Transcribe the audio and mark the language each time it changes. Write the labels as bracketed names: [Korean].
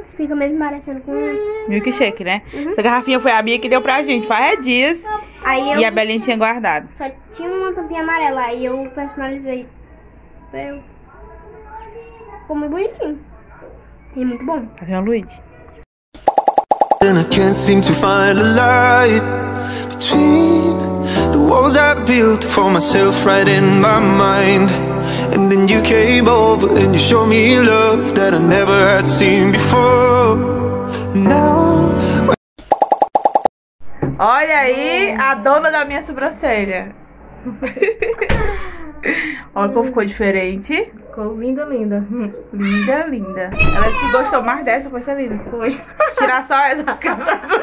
[Portuguese] Fica mesmo parecendo com... Milkshake, né? Uhum. A garrafinha foi a minha que deu pra gente. Faz dias. Aí e a Belinha tinha guardado. Só tinha uma tampinha amarela. Aí eu personalizei. Eu... Ficou muito bonitinho. E muito bom. Tá vendo, Luigi? [English] And I can't seem to find a light between the walls I built for myself right in my mind. And then you came over and you showed me love that I never had seen before. And now. [Portuguese] Olha aí a dona da minha sobrancelha. Olha como ficou diferente. Ficou linda, linda. Linda, linda. Ela disse que gostou mais dessa, foi ser linda. Foi. Tirar só essa casa.